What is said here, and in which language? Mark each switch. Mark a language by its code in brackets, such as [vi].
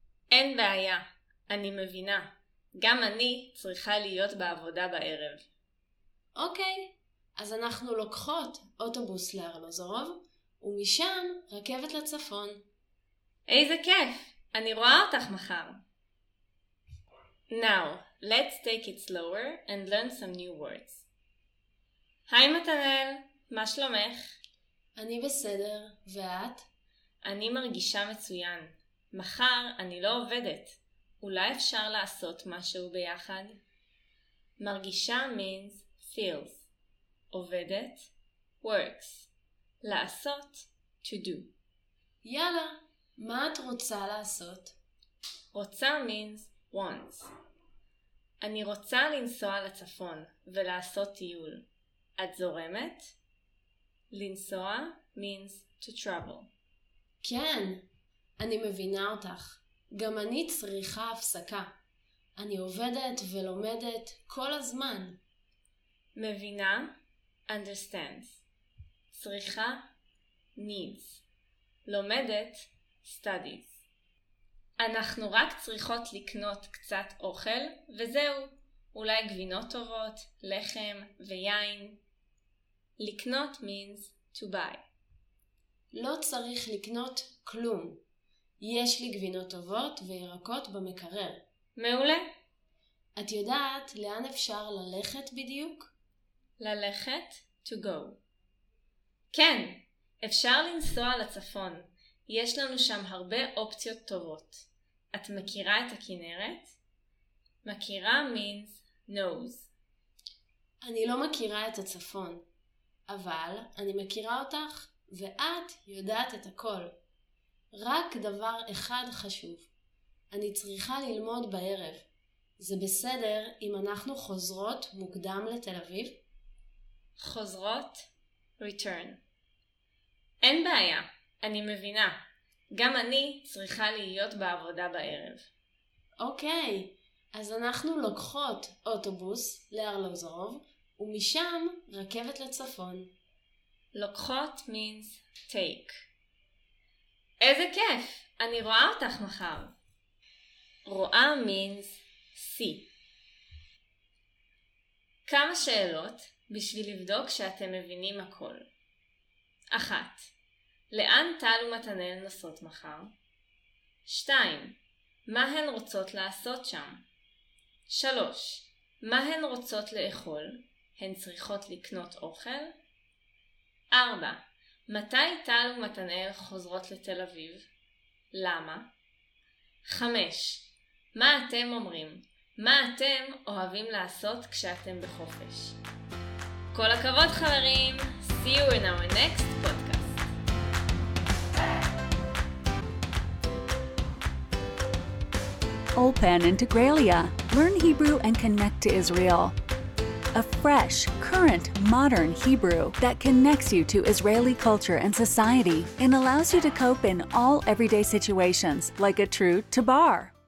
[he] אין בעיה. אני מבינה. גם אני צריכה להיות בעבודה בערב. אוקיי. אז אנחנו לוקחות אוטובוס לארלוזורוב, ומשם רכבת לצפון. איזה כיף! אני רואה אותך מחר. [en] Now, let's take it slower and learn some new words. [he] היי מתנאל, מה שלומך? אני בסדר, ואת? אני מרגישה מצוין. מחר אני לא עובדת. אולי אפשר לעשות משהו ביחד? [en] מרגישה means feels. עובדת, works. לעשות, to do. [he] יאללה, מה את רוצה לעשות? [en] רוצה means wants. [he] אני רוצה לנסוע לצפון ולעשות טיול. את זורמת? [en] לנסוע means to travel. [he] כן, אני מבינה אותך. גם אני צריכה הפסקה. אני עובדת ולומדת כל הזמן. [en] מבינה? Understands. צריכה, needs. לומדת, studies. [he] אנחנו רק צריכות לקנות קצת אוכל, וזהו. אולי גבינות טובות, לחם ויין. [en] לקנות means to buy. [he] לא צריך לקנות כלום. יש לי גבינות טובות וירקות במקרר. מעולה. את יודעת לאן אפשר ללכת בדיוק? ללכת? [en] To go. [he] כן, אפשר לנסוע לצפון. יש לנו שם הרבה אופציות טובות. את מכירה את הכנרת? [en] מכירה means knows. [he] אני לא מכירה את הצפון, אבל אני מכירה אותך, ואת יודעת את הכל. רק דבר אחד חשוב. אני צריכה ללמוד בערב. זה בסדר אם אנחנו חוזרות מוקדם לתל אביב? חוזרות, return. אין בעיה, אני מבינה. גם אני צריכה להיות בעבודה בערב. אוקיי, אז אנחנו לוקחות אוטובוס לארלוזורוב, ומשם רכבת לצפון. [en] לוקחות means take. [he] איזה כיף, אני רואה אותך מחר. [en] רואה means see. [he] כמה שאלות? בשביל לבדוק שאתם מבינים הכל. אחת, לאן טל ומתנאל נוסעות מחר? שתיים, מה הן רוצות לעשות שם? שלוש, מה הן רוצות לאכול? הן צריכות לקנות אוכל? ארבע, מתי טל ומתנאל חוזרות לתל אביב? למה? חמש, מה אתם אומרים? מה אתם אוהבים לעשות כשאתם בחופש? כל הכבוד חברים, [en] see you in our next podcast. Ulpan Integraliah. Learn Hebrew and connect to Israel. A fresh, current, modern Hebrew that connects you to Israeli culture and society and allows you to cope in all everyday situations like a true tabar.